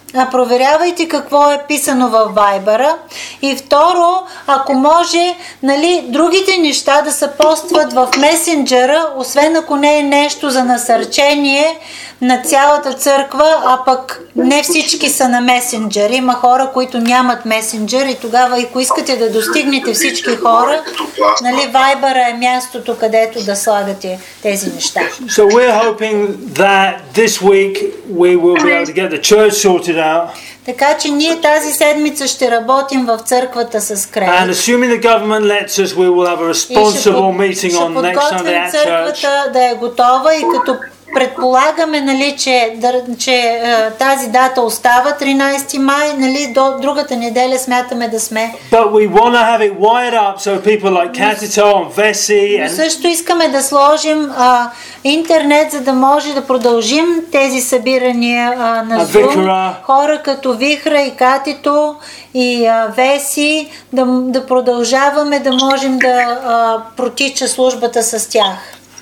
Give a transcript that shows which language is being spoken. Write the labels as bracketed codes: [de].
[bg] Проверявайте какво е писано във Вайбъра. И второ, ако може, нали, другите неща да се постват в месенджера, освен ако не е нещо за насърчение на цялата църква, а пък не всички са на месенджер. Има хора, които нямат месенджер и тогава, ако искате да достигнете всички хора, нали, Вайбъра е мястото, където да слагате тези неща. [en] So we're hoping that this week we will be able to get the church sorted out. [bg] Така че ние тази седмица ще работим в църквата с кредит. [en] And assuming the government lets us, we will have a responsible meeting on next Sunday at church. [bg] Ще подготвим църквата да е готова и като предполагаме, нали, че тази дата остава 13 май, нали, до другата неделя смятаме да сме. [en] But we want to have it wired up so people like Catito and Vesi and... [bg] Също искаме да сложим интернет, за да може да продължим тези събирания на Zoom. Хора като Вихра и Катито и Веси, да продължаваме, да можем да протича службата с тях.